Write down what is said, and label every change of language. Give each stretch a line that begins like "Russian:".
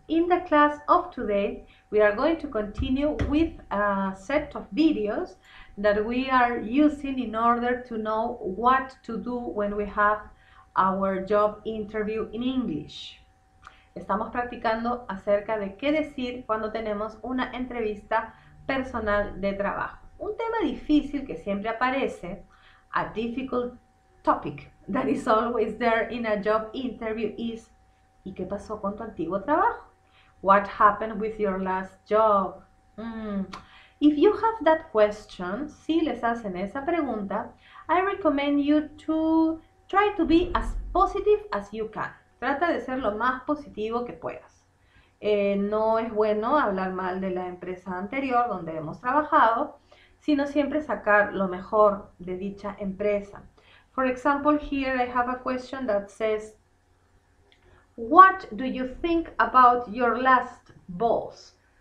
English: In the class of today, we are going to continue with a set of videos that we are using in order to know what to do when we have our job interview in English.
Spanish: Estamos practicando acerca de qué decir cuando tenemos una entrevista personal de trabajo. Un tema difícil que siempre aparece,
English: a difficult topic that is always there in a job interview is,
Spanish: ¿y qué pasó con tu antiguo trabajo?
English: What happened with your last job? If you have that question,
Spanish: si les hacen esa pregunta,
English: I recommend you to try to be as positive as you can.
Spanish: Trata de ser lo más positivo que puedas. No es bueno hablar mal de la empresa anterior donde hemos trabajado, sino siempre sacar lo mejor de dicha empresa.
English: For example, here I have a question that says, what do you think about your last boss?